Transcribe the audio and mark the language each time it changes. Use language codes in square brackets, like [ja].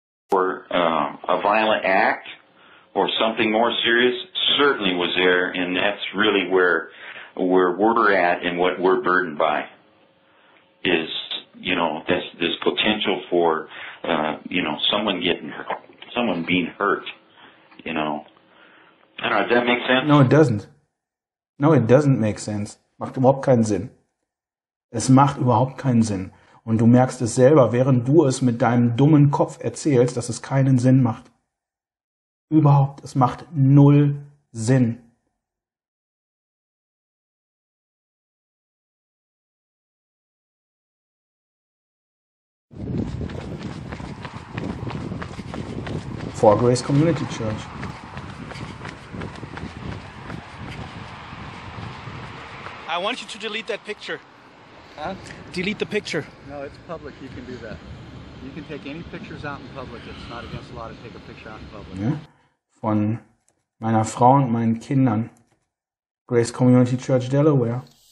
[en] Or a violent act or something more serious certainly was there, and that's really where we're at and what we're burdened by is, you know, this potential for, you know, someone getting hurt, someone being hurt, you know. I don't know, does that make sense? No, it doesn't. No, it doesn't make sense. [de] Macht überhaupt keinen Sinn. Es macht überhaupt keinen Sinn. Und du merkst es selber, während du es mit deinem dummen Kopf erzählst, dass es keinen Sinn macht. Überhaupt, es macht null Sinn. [en] For Grace Community Church. I want you to delete that picture. Huh? Delete the picture. No, it's public. You can do that. You can take any pictures out in public. It's not against the law to take a picture out in public. Yeah. [de] Von meiner Frau und meinen Kindern. [en] Grace Community Church, Delaware.